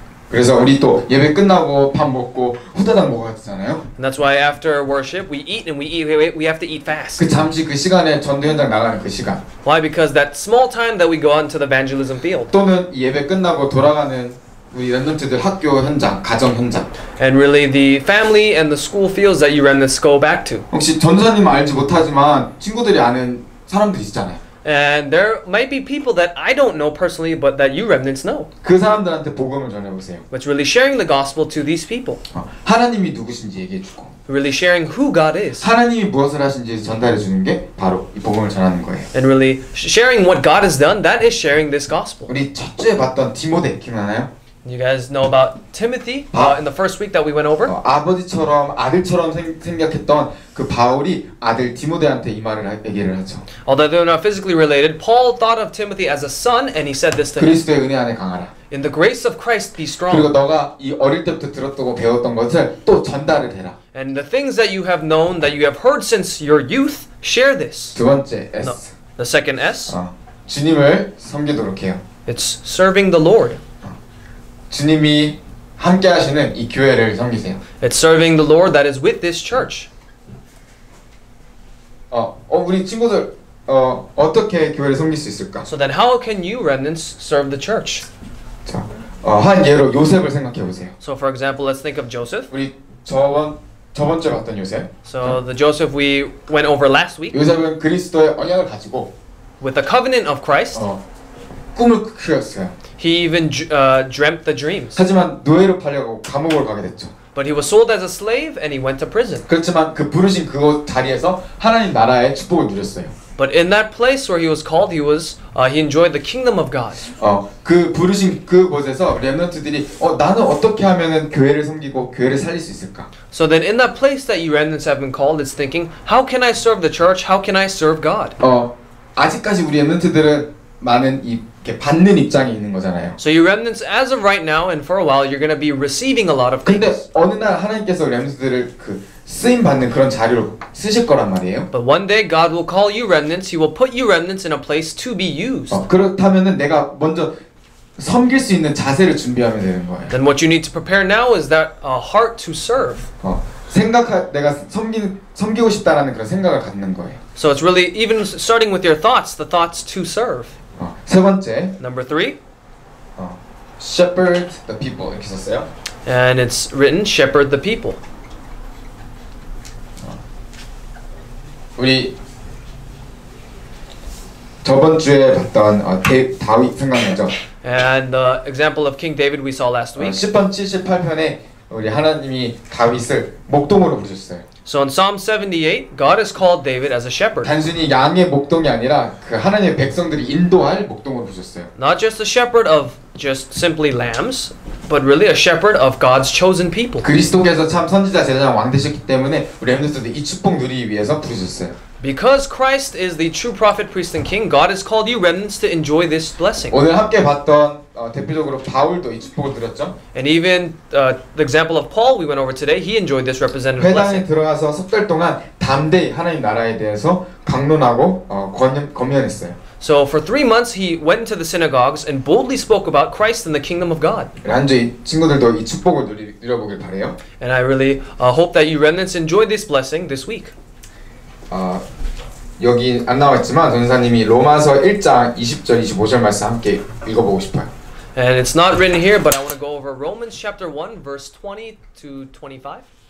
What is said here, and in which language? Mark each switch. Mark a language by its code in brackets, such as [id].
[ko] 그래서 우리 또 예배 끝나고 밥 먹고 후다닥 먹어야 되잖아요. [en] And that's why after worship we eat and we have to eat fast. [ko] 그 잠시 그 시간에 전도 현장 나가는 그 시간. [en] Why? Because that small time that we go out into the evangelism field. [ko] 또는 예배 끝나고 돌아가는 우리 렘넌트들 학교 현장, 가정 현장. [en] And really the family and the school fields that you remnants go back to. [ko] 혹시 전도사님 알지 못하지만 친구들이 아는 사람들 있잖아요. [en] And there might be people that I don't know personally, but that you remnants know. [ko] 그 사람들한테 복음을 전해보세요. [en] But really sharing the gospel to these people. [ko] 하나님이 누구신지 얘기해주고. [en] Really sharing who God is. [ko] 하나님이 무엇을 하신지 전달해주는 게 바로 이 복음을 전하는 거예요. [en] And really sharing what God has done, that is sharing this gospel. [ko] 우리 첫 주에 봤던 디모데 기억나요? [en] You guys know about Timothy in the first week that we went over? [ko] 아버지처럼 아들처럼 생각했던 그 바울이 아들 디모데한테 이 말을 얘기를 하죠. [en] Although they're not physically related, Paul thought of Timothy as a son and he said this to him. [ko] 그리스도의 은혜 안에 강하라. [en] In the grace of Christ be strong. [ko] 그리고 너가 이 어릴 때부터 들었고 배웠던 것을 또 전달을 해라. [en] And the things that you have known that you have heard since your youth, share this. [ko] 두 번째 S. [en] No, the second S. [ko] 주님을 섬기도록 해요. [en] It's serving the Lord. [ko] 주님이 함께 하시는 이 교회를 섬기세요. [en] It's serving the Lord that is with this church. [ko] 우리 친구들 어떻게 교회를 섬길 수 있을까? [en] So then how can you remnants serve the church? [ko] 자, 한 예로 요셉을 생각해 보세요. [en] So for example, let's think of Joseph. [ko] 우리 저번주에 봤던 요셉. [en] So the Joseph we went over last week. [ko] 요셉은 그리스도의 언약을 가지고 [en] with the covenant of Christ. [ko] 꿈을 꾸었어요. [en] He even dreamt the dreams. [ko] 하지만 노예로 팔려가고 감옥을 가게 됐죠. [en] But he was sold as a slave and he went to prison. [ko] 그렇지만 그 부르신 그 자리에서 하나님 나라의 축복을 누렸어요. [en] But in that place where he was called, he enjoyed the kingdom of God. [ko] 그 부르신 그 곳에서 렘넌트들이 나는 어떻게 하면은 교회를 섬기고 교회를 살릴 수 있을까? [en] So then in that place that you remnants have been called, it's thinking, how can I serve the church? How can I serve God? [ko] 아직까지 우리 렘넌트들은 많은 이 받는 입장이 있는 거잖아요. [en] So you remnants as of right now and for a while you're going to be receiving a lot of things. [ko] 근데 어느 날 하나님께서 렘넌트들을 그 쓰임 받는 그런 자리로 쓰실 거란 말이에요. [en] But one day God will call you remnants. He will put you remnants in a place to be used. [ko] 그렇다면은 내가 먼저 섬길 수 있는 자세를 준비하면 되는 거예요. [en] Then what you need to prepare now is that a heart to serve. [ko] 내가 섬기고 싶다라는 그런 생각을 갖는 거예요. [en] So it's really even starting with your thoughts, the thoughts to serve. [ko] 세 번째. [en] Number three. Shepherd the people [ko] 이렇게 썼어요. [en] And it's written shepherd the people. [ko] 우리 저번 주에 봤던 다윗 생각나죠. [en] And the example of King David we saw last week. [ko] 시편 78편에 우리 하나님이 다윗을 목동으로 부르셨어요. [en] So in Psalm 78, God has called David as a shepherd. [ko] 단순히 양의 목동이 아니라 그 하나님의 백성들이 인도할 목동으로 부르셨어요. [en] Not just a shepherd of just simply lambs, but really a shepherd of God's chosen people. [ko] 그리스도께서 참 선지자, 제사장, 왕 되셨기 때문에 우리 렘넌트들이 이 축복 누리기 위해서 부르셨어요. [en] Because Christ is the true prophet, priest, and king, God has called you remnants to enjoy this blessing. [ko] 오늘 함께 봤던 대표적으로 바울도 이 축복을 드렸죠. [en] And even the example of Paul we went over today, he enjoyed this representative blessing. [ko] 회당에 들어가서 석 달 동안 담대히 하나님 나라에 대해서 강론하고 권면했어요. [en] So for 3 months he went into the synagogues and boldly spoke about Christ and the kingdom of God. [ko] 완전히 친구들도 이 축복을 누려보길 바래요. [en] And I really hope that you remnants enjoy this blessing this week. [ko] 여기 안 나와있지만 전사님이 로마서 1장 20절 25절 말씀 함께 읽어보고 싶어요. [en] And it's not written here, but I want to go over Romans chapter 1, verse 20 to 25.